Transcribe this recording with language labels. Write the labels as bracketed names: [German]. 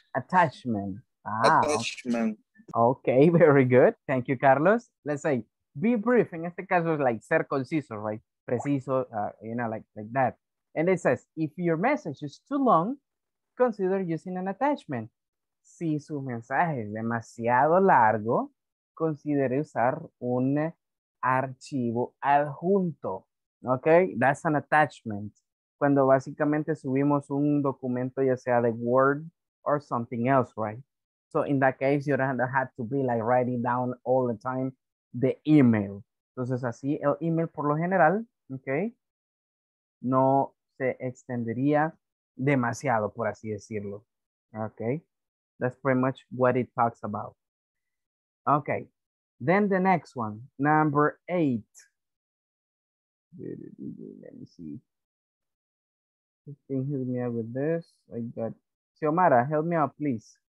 [English] Attachment. Ah, attachment. Okay, very good. Thank you, Carlos. Let's say, be brief. [Spanish] In este caso, like ser conciso, right? Preciso, [English] you know, like that. And it says, if your message is too long, consider using an attachment. [Spanish] Si su mensaje es demasiado largo, considere usar un archivo adjunto. Okay, [English] that's an attachment. [Spanish] Cuando básicamente subimos un documento, ya sea de Word [English] or something else, [Spanish] right? [English] So in that case, you don't have to be like writing down all the time the email. [Spanish] Entonces así el email por lo general, okay, no se extendería demasiado, por así decirlo. [English] Okay, that's pretty much what it talks about. Okay, then the next one, number 8. Let me see. You can help me out with this. I got Xiomara, help me out, please.